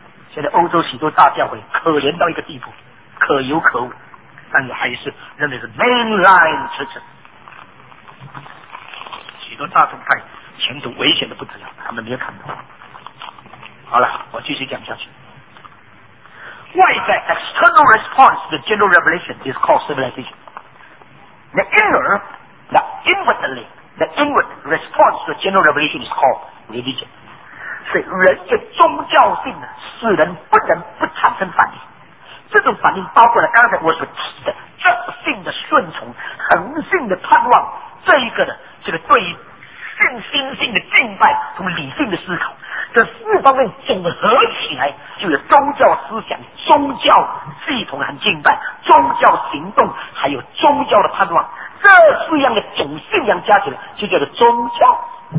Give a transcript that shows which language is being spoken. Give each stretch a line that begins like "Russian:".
Chinese: 现在欧洲许多大教会可怜到一个地步，可有可无，但是还是认为是 mainline church。许多大众派前途危险的不得了，他们没有看到。好了，我继续讲下去。
English: 外在 external response to the general revelation is called civilization. The inner, the inwardly, The inward response to general revelation is called religion.
Chinese: 所以人的宗教性使人不能不产生反应。这种反应包括了刚才我所提的正性的顺从、恒性的盼望，这一个的这个对信心性的敬拜和理性的思考，这四方面总合起来，就有宗教思想、宗教系统和敬拜、宗教行动，还有宗教的盼望，这四样的总信仰加起来就叫做宗教。